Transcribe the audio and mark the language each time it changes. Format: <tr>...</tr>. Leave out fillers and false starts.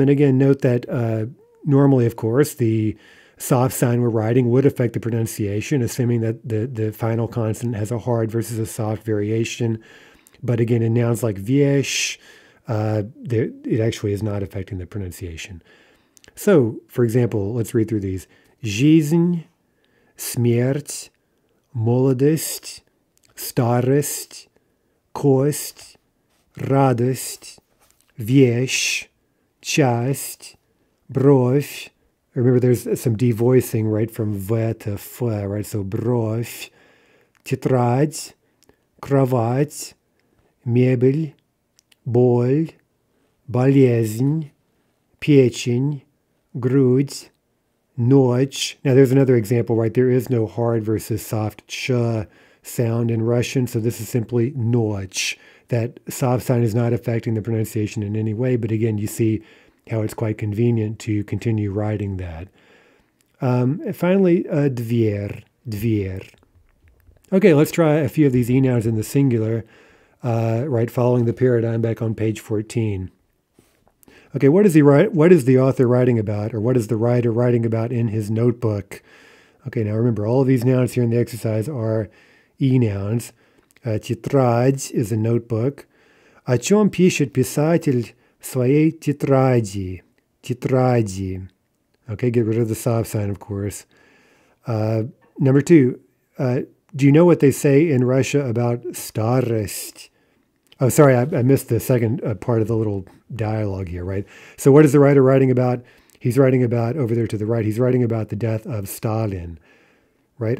<en>And again, note that normally, of course, the soft sign we're writing would affect the pronunciation, assuming that the final consonant has a hard versus a soft variation. But again, in nouns like viesh, it actually is not affecting the pronunciation. So, for example, let's read through these.</en> <ru>Жизнь, смерть, молодость, старость, кость, радость, вещь, часть, бровь.</ru> <en>Remember, there's some devoicing, right, from V to F, right?</en> <ru>So, бровь, тетрадь, кровать, мебель, боль, болезнь, печень, грудь, ночь.</ru> <en>Now, there's another example, right? There is no hard versus soft ch sound in Russian, so this is simply ночь. That soft sign is not affecting the pronunciation in any way, but again, you see how it's quite convenient to continue writing that. Finally, дверь. Okay, let's try a few of these e-nouns in the singular. Right, following the paradigm back on page 14. Okay, what is the author writing about, or what is the writer writing about in his notebook? Okay, now remember, all of these nouns here in the exercise are e-nouns. Тетрадь is a notebook.</en> <ru>О чем пишет писатель в своей тетради? Тетради.</ru> <en>Okay, get rid of the soft sign, of course. Number two, do you know what they say in Russia about старость? Oh, sorry, I missed the second part of the little dialogue here, right? So what is the writer writing about? He's writing about, over there to the right, he's writing about the death of Stalin, right?</en>